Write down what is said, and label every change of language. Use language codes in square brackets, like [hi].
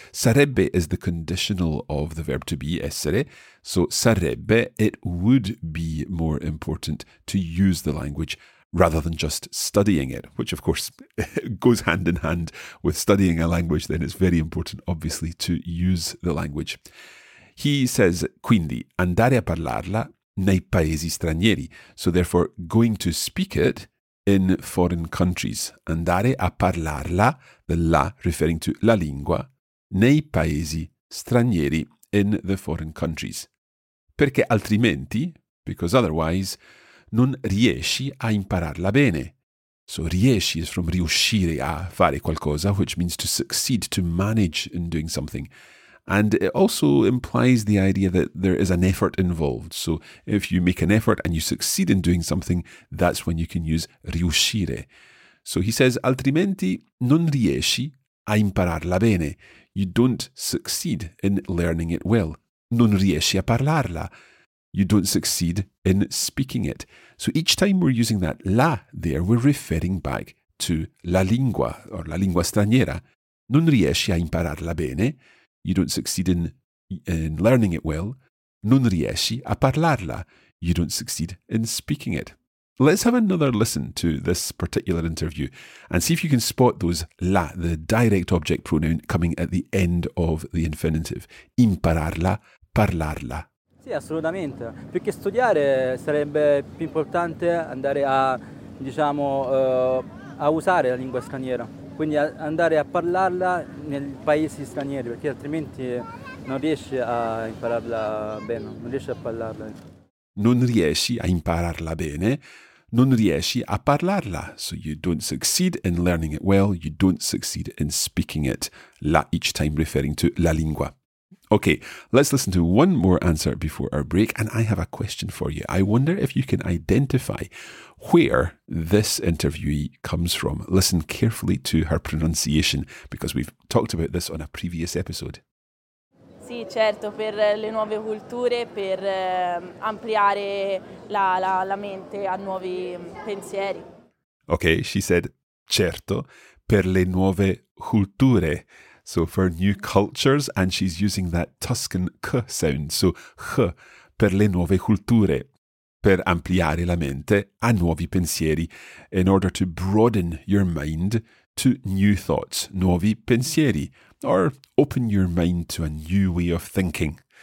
[en] Sarebbe is the conditional of the verb to be, essere. So sarebbe, it would be more important to use the language rather than just studying it, which of course goes hand in hand with studying a language, then it's very important, obviously, to use the language. He says, [it] quindi, andare a parlarla nei paesi stranieri. [en] So therefore, going to speak it in foreign countries. [it] Andare a parlarla, the la [en] referring to [it] la lingua, nei paesi stranieri, [en] in the foreign countries. [it] Perché altrimenti, [en] because otherwise, [it] non riesci a impararla bene. [en] So riesci is from [it] riuscire a fare qualcosa, [en] which means to succeed, to manage in doing something. And it also implies the idea that there is an effort involved. So if you make an effort and you succeed in doing something, that's when you can use riuscire. So he says, [it] altrimenti non riesci a impararla bene. [en] You don't succeed in learning it well. [it] Non riesci a parlarla. [en] You don't succeed in speaking it. So each time we're using that la there, we're referring back to la lingua or [it] la lingua straniera. Non riesci a impararla bene. [en] You don't succeed in learning it well. [it] Non riesci a parlarla. [en] You don't succeed in speaking it. Let's have another listen to this particular interview and see if you can spot those la, the direct object pronoun coming at the end of the infinitive. [it] Impararla, parlarla. Sì, assolutamente. Più che studiare sarebbe più importante andare a, diciamo, a usare la lingua straniera. Quindi andare a parlarla nei paesi stranieri, perché altrimenti non riesci a impararla bene, non riesci a parlarla. Non riesci a impararla bene, non riesci a parlarla. [en] So you don't succeed in learning it well, you don't succeed in speaking it. La each time referring to [it] la lingua. [en] Okay, let's listen to one more answer before our break, and I have a question for you. I wonder if you can identify where this interviewee comes from. Listen carefully to her pronunciation, because we've talked about this on a previous episode. [it] Sì, certo, per le nuove culture, per ampliare la mente a nuovi pensieri. [en] Okay, she said, [it] certo, per le nuove culture. [en] So for new cultures, and she's using that Tuscan k sound. So k [it] per le nuove culture, per ampliare la mente a nuovi pensieri, [en] in order to broaden your mind to new thoughts, [it] nuovi pensieri, [en] or open your mind to a new way of thinking.